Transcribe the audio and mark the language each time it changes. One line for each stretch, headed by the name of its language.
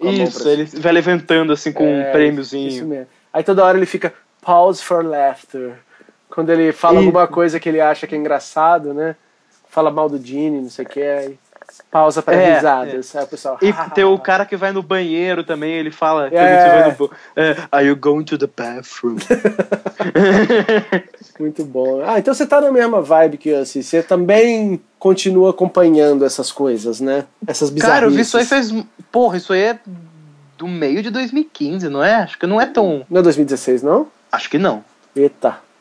Portuguese: Isso, ele vai levantando, assim, com um prêmiozinho. Isso mesmo. Aí toda hora ele fica
English: pause for laughter.
Portuguese: Quando ele fala alguma coisa que ele acha que é engraçado, né? Fala mal do Gene, não sei o que. Aí pausa pra risadas. É. Aí o pessoal... E tem o cara que vai no banheiro também, ele fala... É. Que ele vai no...
English: Are you going to the bathroom?
Portuguese: Muito bom. Ah, então você tá na mesma vibe que eu, assim. Você também continua acompanhando essas coisas, né? Essas bizarrices. Cara, eu vi isso aí fez... Porra, isso aí é do meio de 2015, não é? Acho que não é tão... Não é 2016, não? Acho que não. Eita.